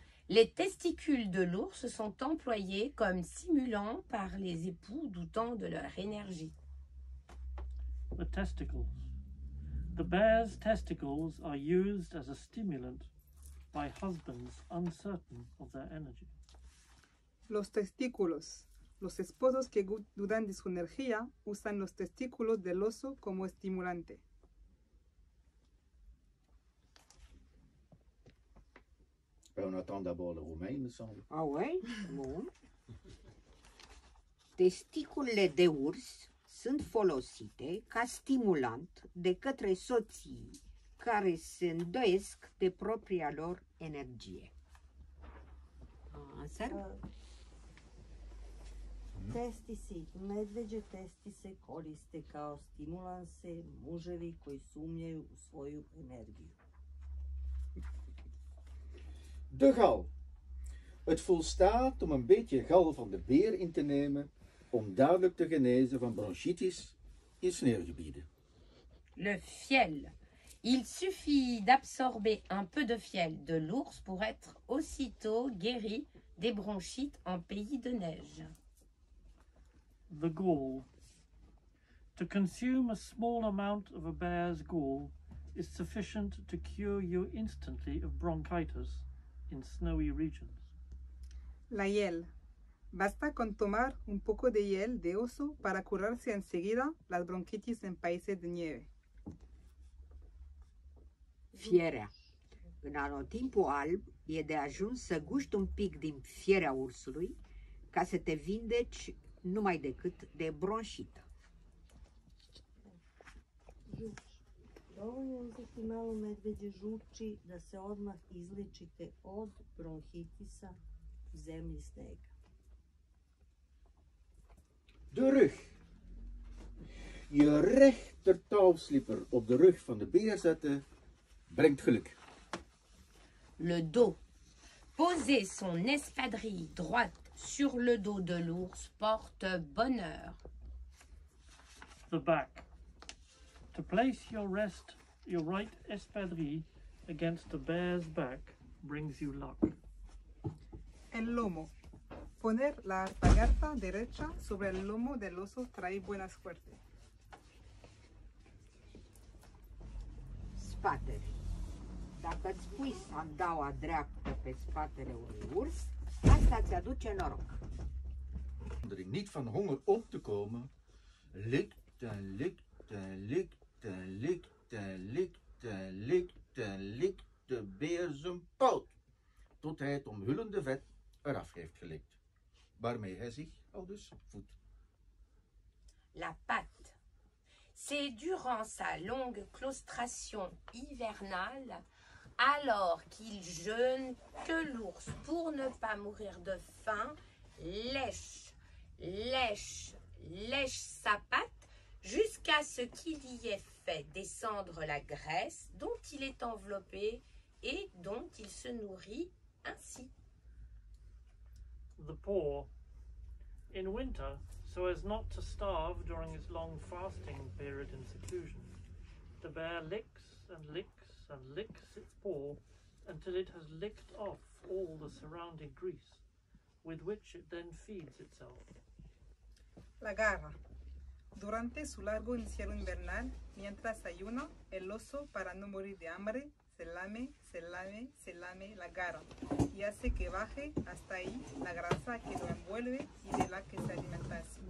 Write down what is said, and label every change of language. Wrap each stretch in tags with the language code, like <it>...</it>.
<fr>Les testicules de l'ours sont employés comme stimulants par les époux doutant de leur énergie.</fr> <en>The testicles. The bear's testicles are used as a stimulant by husbands uncertain of their energy.</en> <es>Los testículos. Los esposos que dudan de su energía usan los testículos del oso como estimulante.</es> <fr>Perfecto. Ben, on attend d'abord le Roumain, il me semble. Ah ouais? Bon.</fr> <ro>Testiculele de urs sunt folosite ca stimulant de către soții care se îndoiesc de propria lor energie.</ro> <en>Answer?</en> <sr>Testisi, medveđe testise koriste kao stimulanse muževi koji sumnjaju u svoju energiju.</sr> <nl>De gal. Het volstaat om een beetje gal van de beer in te nemen om dadelijk te genezen van bronchitis in sneeuwgebieden.</nl> <fr>Le fiel. Il suffit d'absorber un peu de fiel de l'ours pour être aussitôt guéri des bronchites en pays de neige.</fr> <en>The gall. To consume a small amount of a bear's gall is sufficient to cure you instantly of bronchitis in snowy regions.</en> <es>La hiel. Basta con tomar un poco de hiel de oso para curarse enseguida las bronquitis en países de nieve.</es> <ro>Fierea. În anotimpul alb, e de ajuns să guști un pic din fierea ursului ca să te vindeci numai decât de bronșită.</ro> <sr>Dovoljno uzeti malo medveđe žuči da se odmah izličite od bronhitisa u zemlji snega.</sr> <nl>De rug. Je rechter touwslipper op de rug van de beer zetten brengt geluk.</nl> <fr>Le dos. Poser son espadrille droite sur le dos de l'ours porte bonheur.</fr> <en>The back. To place your right espadrille against the bear's back brings you luck.</en> <es>El lomo. Poner la alpargata derecha sobre el lomo del oso trae buena suerte.</es> <ro>Spatele. Dacă îți pui sandaua dreaptă pe spatele unui urs, asta îți aduce noroc.</ro> <nl>Dar niet van honger op te komen, likte beer zijn poot, tot hij het omhullende vet eraf heeft gelikt, waarmee hij zich al dus voedt.</nl> <fr>La patte. C'est durant sa longue claustration hivernale, alors qu'il jeûne, que l'ours, pour ne pas mourir de faim, lèche sa patte jusqu'à ce qu'il y ait fait descendre la graisse dont il est enveloppé et dont il se nourrit ainsi.</fr> <en>The paw. In winter, so as not to starve during his long fasting period in seclusion, the bear licks and licks and licks its paw until it has licked off all the surrounding grease, with which it then feeds itself.</en> <es>La garra. Durante su largo encierro invernal, mientras ayuna, el oso, para no morir de hambre, se lame la garra, y hace que baje hasta ahí la grasa que lo envuelve y de la que se alimenta.</es>